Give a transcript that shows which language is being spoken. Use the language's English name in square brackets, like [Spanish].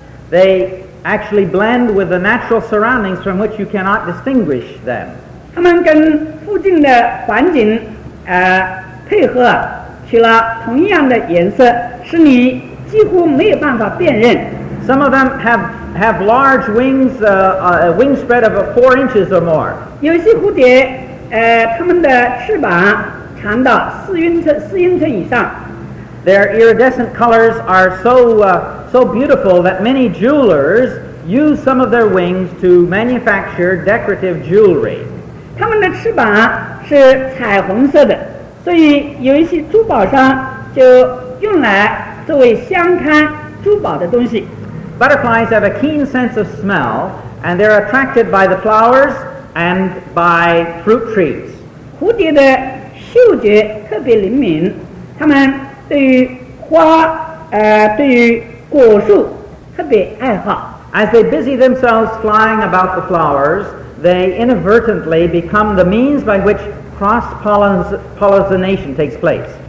[English] They actually blend with the natural surroundings from which you cannot distinguish them. [Chinese] 他们跟附近的环境配合，取了同样的颜色，使你几乎没有办法辨认。 [English] Some of them have large wings, wingspread of 4 inches or more. [Chinese] 有些蝴蝶，他们的翅膀长到四英寸以上。 [English] Their iridescent colors are so beautiful that many jewelers use some of their wings to manufacture decorative jewelry. [Chinese] 它们的翅膀是彩虹色的, 所以有一些珠宝商就用来作为香龛, 珠宝的东西。 [English] Butterflies have a keen sense of smell, and they're attracted by the flowers and by fruit trees. [Chinese] 蝴蝶的嗅觉特别灵敏, 它们对于花, 对于果树特别爱好。 [English] As they busy themselves flying about the flowers, they inadvertently become the means by which cross-pollination takes place.